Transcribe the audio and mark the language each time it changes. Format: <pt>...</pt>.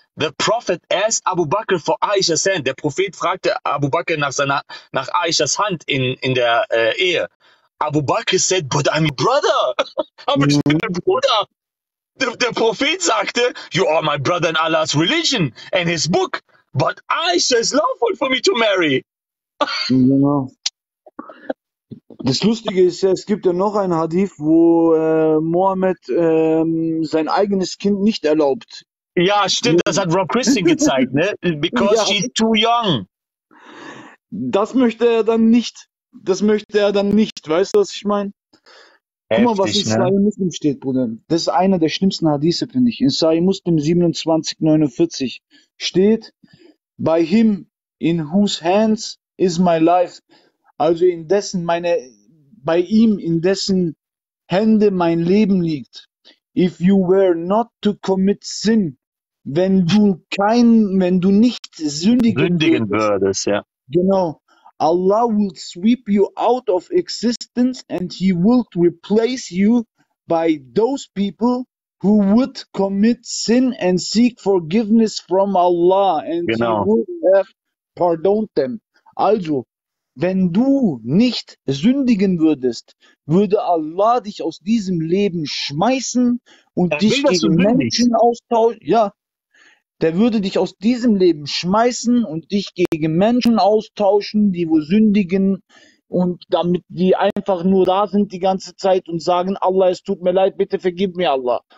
<en>The Prophet asked Abu Bakr for Aisha's hand.</en> <de>Der Prophet fragte Abu Bakr nach Aisha's hand in der Ehe.</de> <en>Abu Bakr said, but I'm your brother.</en> <de>Aber ich bin dein Bruder. Der Prophet sagte,</de> <en>you are my brother in Allah's religion and his book, but Aisha is lawful for me to marry.</en> <de>Genau. Das Lustige ist ja, es gibt ja noch einen Hadith, wo Mohammed sein eigenes Kind nicht erlaubt. Ja, stimmt, das hat Rob Christie gezeigt, ne?</de> <en>Because ja. She's too young.</en> <de>Das möchte er dann nicht. Das möchte er dann nicht, weißt du, was ich meine? Guck mal, was in Sahih Muslim steht, Bruder. Das ist einer der schlimmsten Hadithe, finde ich. In Sahih Muslim 27:49 steht,</de> <en>by him, in whose hands is my life.</en> <de>Also in dessen bei ihm, in dessen Hände mein Leben liegt.</de> <en>If you were not to commit sin,</en> <de>wenn du nicht sündigen würdest, ja. Genau.</de> <en>Allah will sweep you out of existence and he will replace you by those people who would commit sin and seek forgiveness from Allah and</en> <de>genau.</de> <en>He will have pardoned them.</en> <de>Also, wenn du nicht sündigen würdest, würde Allah dich aus diesem Leben schmeißen und dich gegen Menschen austauschen. Ja, der würde dich aus diesem Leben schmeißen und dich gegen Menschen austauschen, die wo sündigen und damit die einfach nur da sind die ganze Zeit und sagen, Allah, es tut mir leid, bitte vergib mir Allah.</de>